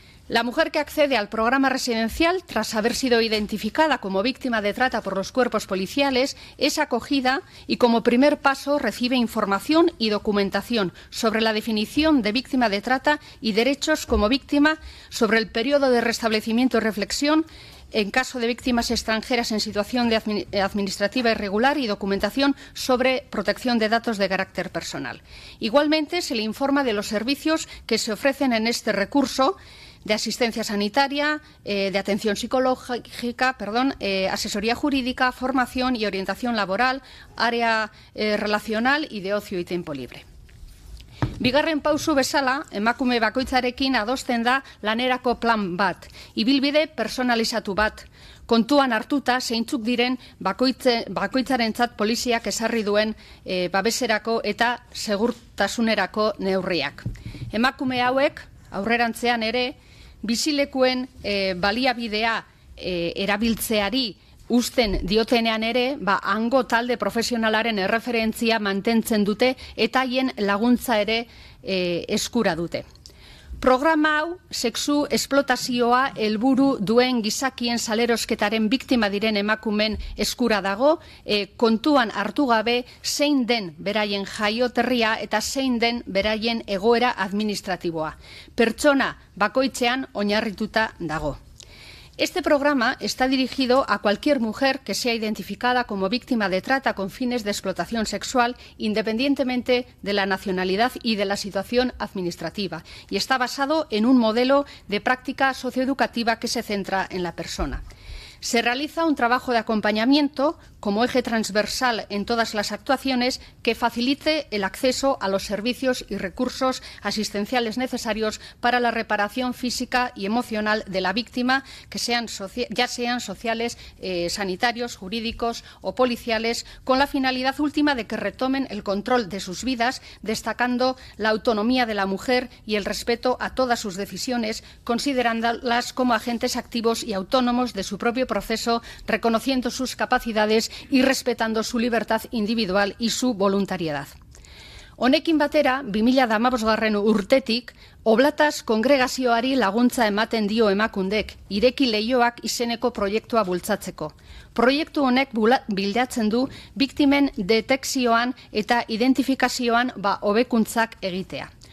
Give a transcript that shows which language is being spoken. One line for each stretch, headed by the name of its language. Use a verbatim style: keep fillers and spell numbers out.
Spanish: La mujer que accede al programa residencial, tras haber sido identificada como víctima de trata por los cuerpos policiales, es acogida y, como primer paso, recibe información y documentación sobre la definición de víctima de trata y derechos como víctima, sobre el periodo de restablecimiento y reflexión en caso de víctimas extranjeras en situación de administrativa irregular y documentación sobre protección de datos de carácter personal. Igualmente, se le informa de los servicios que se ofrecen en este recurso, de asistencia sanitaria, eh, de atención psicológica, perdón, eh, asesoría jurídica, formación y orientación laboral, área eh, relacional y de ocio y tiempo libre.
Basque: Bigarren pausu bezala, emakume bakoitzarekin adosten da lanerako plan bat, ibilbide personalizatu bat, kontuan hartuta zeintzuk diren bakoitze, bakoitzarentzat poliziak ezarri duen e, babeserako eta segurtasunerako neurriak. Emakume hauek aurrerantzean ere bizilekuen e, baliabidea e, erabiltzeari uzten diotenean ere, ba, hango talde profesionalaren erreferentzia mantentzen dute eta haien laguntza ere e, eskura dute. Programa hau, sexu esplotazioa helburu duen gizakien salerosketaren biktima diren emakumen eskura dago, e, kontuan hartu gabe zein den beraien jaioterria eta zein den beraien egoera administratiboa. Pertsona bakoitzean oinarrituta dago.
Spanish: Este programa está dirigido a cualquier mujer que sea identificada como víctima de trata con fines de explotación sexual, independientemente de la nacionalidad y de la situación administrativa, y está basado en un modelo de práctica socioeducativa que se centra en la persona. Se realiza un trabajo de acompañamiento como eje transversal en todas las actuaciones que facilite el acceso a los servicios y recursos asistenciales necesarios para la reparación física y emocional de la víctima, que sean socia- ya sean sociales, eh, sanitarios, jurídicos o policiales, con la finalidad última de que retomen el control de sus vidas, destacando la autonomía de la mujer y el respeto a todas sus decisiones, considerándolas como agentes activos y autónomos de su propio proceso, reconociendo sus capacidades y respetando su libertad individual y su voluntariedad.
Basque: Honekin batera, bi mila hamabost urtetik, Oblataz kongregazioari laguntza ematen dio Emakundek, ireki leioak izeneko proiektua bultzatzeko. Proiektu honek bilatzen du biktimen detekzioan eta identifikazioan ba hobekuntzak egitea.